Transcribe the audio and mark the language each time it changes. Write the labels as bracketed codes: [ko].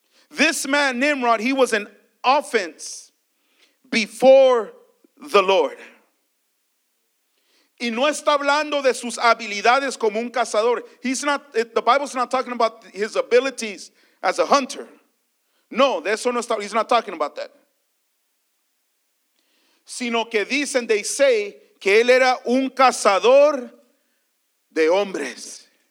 [en] This man, Nimrod, he was an offense before the Lord. [es] Y no está hablando de sus habilidades como un cazador. [en] He's not, the Bible's not talking about his abilities as a hunter. [es] No, de eso no está, he's not talking about that. Sino que dicen, they say, que él era un cazador de hombres.